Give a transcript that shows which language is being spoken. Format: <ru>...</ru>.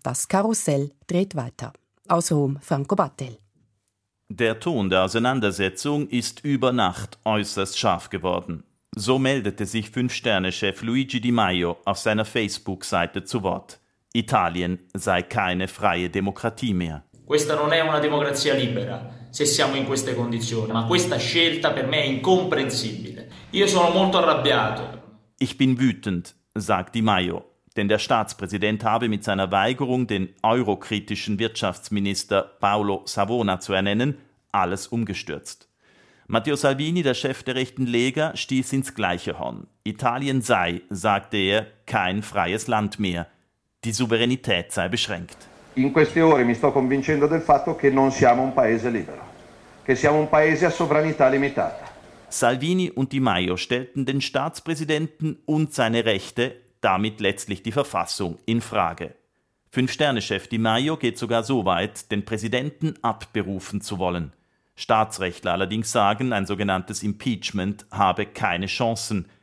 <de>Das Karussell dreht weiter. Aus Rom, Franco Battel. Der Ton der Auseinandersetzung ist über Nacht äußerst scharf geworden. So meldete sich Fünf-Sterne-Chef Luigi Di Maio auf seiner Facebook-Seite zu Wort. Italien sei keine freie Demokratie mehr.</de> <it>Questa non è una democrazia libera, se siamo in queste condizioni, ma questa scelta per me è incomprensibile. Io sono molto arrabbiato.</it> <de>Ich bin wütend, sagt Di Maio. Denn der Staatspräsident habe mit seiner Weigerung, den eurokritischen Wirtschaftsminister Paolo Savona zu ernennen, alles umgestürzt. Matteo Salvini, der Chef der rechten Lega, stieß ins gleiche Horn. Italien sei, sagte er, kein freies Land mehr. Die Souveränität sei beschränkt.</de> <it>In queste ore mi sto convincendo del fatto che non siamo un paese libero, che siamo un paese a sovranità limitata.</it> <de>Salvini und Di Maio stellten den Staatspräsidenten und seine Rechte, damit letztlich die Verfassung, in Frage. Fünf-Sterne-Chef Di Maio geht sogar so weit, den Präsidenten abberufen zu wollen. Staatsrechtler allerdings sagen, ein sogenanntes Impeachment habe keine Chancen.</de>